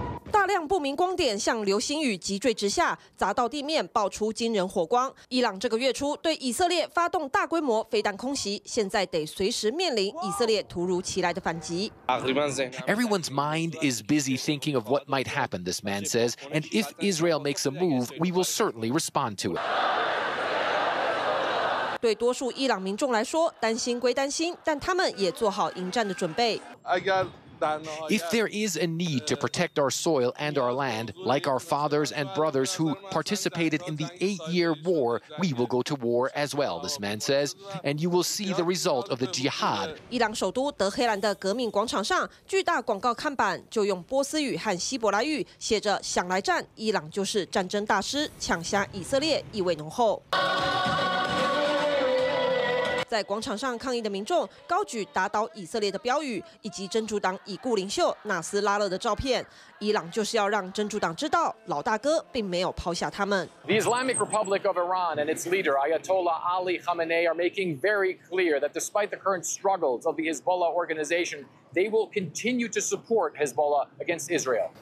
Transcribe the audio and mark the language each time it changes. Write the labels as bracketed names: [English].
[Chinese] 大量不明光点像流星雨急坠直下，砸到地面爆出惊人火光。伊朗这个月初对以色列发动大规模飞弹空袭，现在得随时面临以色列突如其来的反击。 [English] Everyone's mind is busy thinking of what might happen, this man says, and if Israel makes a move, we will certainly respond to it. [Chinese] 对多数伊朗民众来说，担心归担心，但他们也做好迎战的准备。 [English] If there is a need to protect our soil and our land, like our fathers and brothers who participated in the 8-year war, we will go to war as well, this man says, and you will see the result of the jihad. [Chinese] 伊朗首都德黑兰的革命广场上，巨大广告看板就用波斯语和希伯来语写着“想来战，伊朗就是战争大师，抢下以色列”，意味浓厚。在广场上抗议的民众高举打倒以色列的标语，以及真主党已故领袖纳斯拉勒的照片。伊朗就是要让真主党知道，老大哥并没有抛下他们。 [English] The Islamic Republic of Iran and its leader Ayatollah Ali Khamenei are making very clear that despite the current struggles of the Hezbollah organization, they will continue to support Hezbollah against Israel.